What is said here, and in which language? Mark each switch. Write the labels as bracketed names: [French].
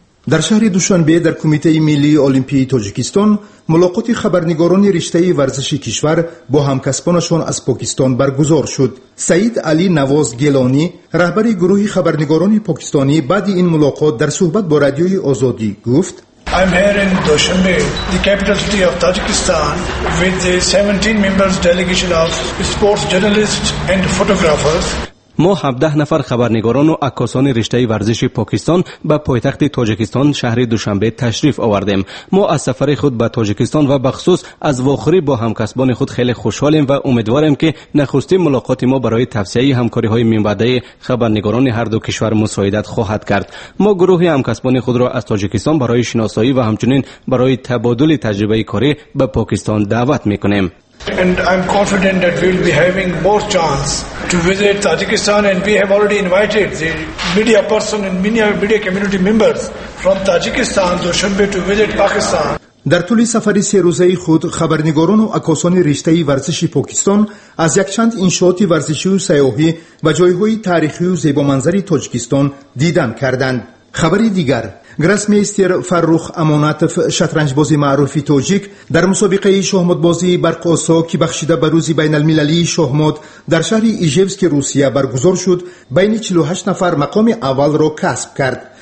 [Persian] در شهر دوشنبه در کمیته ملی اولمپی تاجیکستان ملاقات خبرنگاران رشته ورزشی کشور با همکسبانشان از پاکستان برگزار شد. سعید علی نواز گیلانی رهبر گروه خبرنگاران پاکستانی بعد این ملاقات در صحبت با رادیوی آزادی گفت: [English] I'm here in Dushanbe, the capital city of Tajikistan, with the 17 members delegation of sports journalists and photographers. [Persian] ما 17 نفر خبرنگاران و عکاسان رشته ورزش پاکستان به پایتخت تاجیکستان شهر دوشنبه تشریف آوردیم. ما از سفر خود به تاجیکستان و بخصوص از واخوری با همکسبان خود خیلی خوشحالیم و امیدواریم که نخستین ملاقات ما برای توسعه همکاری های منبعده خبرنگاران هر دو کشور مساعدت خواهد کرد. ما گروه همکسبان خود را از تاجیکستان برای شناسایی و همچنین برای تبادل تجربه کاری به پاکستان دعوت میکنیم. [English] And I'm confident that we'll be having more chance to visit Tajikistan, and we have already invited the media person and media community members from Tajikistan who should be to visit Pakistan. [Persian] در طول سفر 3 روزه خود خبرنگاران و عکاسان رشته ورزش پاکستان از یک چند انشاءات ورزشی و سیاحی و جایهای تاریخی و زیبا منظر تاجیکستان دیدن کردند. خبری دیگر، گراس میستر فرخ اماناتف شطرنج بازی معروفی تاجیک در مسابقه شاهمات بازی برق آسا که بخشیده به روز بین المللی شاهمات در شهر ایژوسک روسیه برگزار شد، بین 48 نفر مقام اول را کسب کرد.